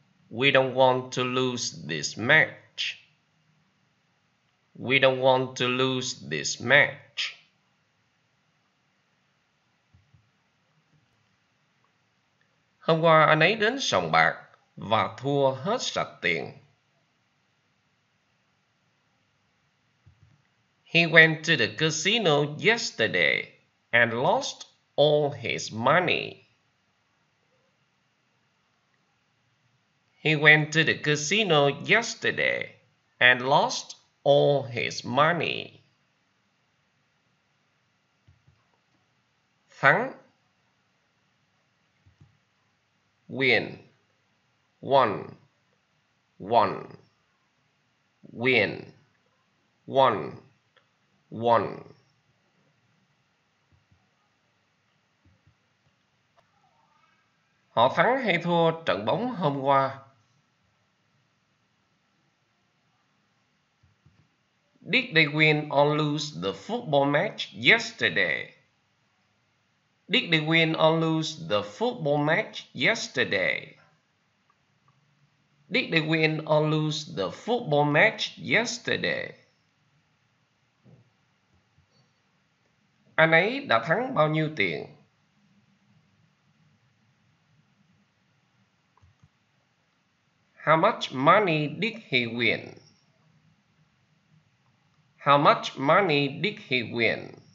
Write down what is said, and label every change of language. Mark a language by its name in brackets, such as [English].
[English] We don't want to lose this match. We don't want to lose this match. [Vietnamese] Hôm qua anh ấy đến sòng bạc và thua hết sạch tiền. [English] He went to the casino yesterday and lost all his money. He went to the casino yesterday and lost all his money. [Vietnamese] Thắng. [English] Win, won, won, win, won, won. [Vietnamese] Họ thắng hay thua trận bóng hôm qua? [English] Did they win or lose the football match yesterday? Did they win or lose the football match yesterday? Did they win or lose the football match yesterday? [Vietnamese] Anh ấy đã thắng bao nhiêu tiền? [English] How much money did he win? How much money did he win?